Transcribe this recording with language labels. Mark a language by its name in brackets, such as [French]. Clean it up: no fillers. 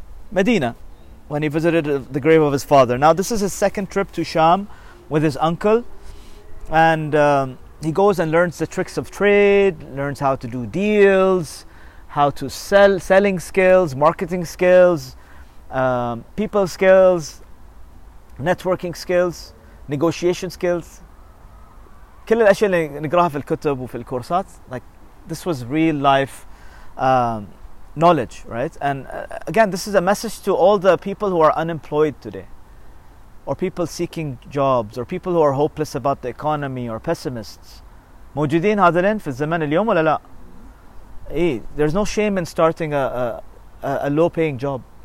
[English] Medina, when he visited the grave of his father. Now this is his second trip to Sham with his uncle, and he goes and learns the tricks of trade, learns how to do deals, how to sell, selling skills, marketing skills, people skills, networking skills, negotiation skills. [Arabic] كل الأشياء اللي نقرأها في الكتب وفي الكورسات, [English] like this was real life knowledge, right? And again, this is a message to all the people who are unemployed today, or people seeking jobs, or people who are hopeless about the economy, or pessimists. [Arabic] موجودين هذولين في الزمن اليوم ولا لا؟ إيه, [English] there's no shame in starting a low-paying job.